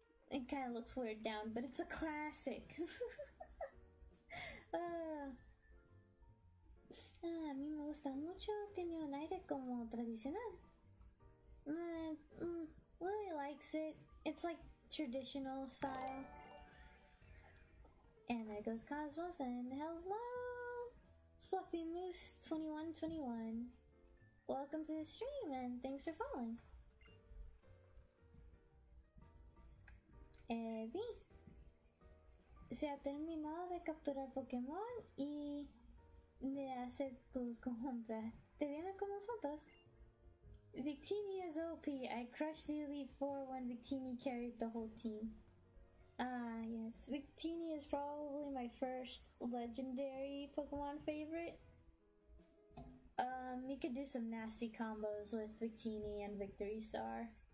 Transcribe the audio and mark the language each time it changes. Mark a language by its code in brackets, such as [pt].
[en] It kind of looks weird down, but it's a classic. [es] A mí me gusta mucho, tiene un aire como tradicional. [en] Lily likes it. It's like traditional style. And there goes Cosmos, and hello, Fluffy Moose 2121. Welcome to the stream, and thanks for following. Evie. [es] Se ha terminado de capturar Pokémon y de hacer tus compras. ¿Te vienes con nosotros? [en] Victini is OP. I crushed the Elite Four when Victini carried the whole team. Ah, yes. Victini is probably my first legendary Pokémon favorite. You could do some nasty combos with Victini and Victory Star.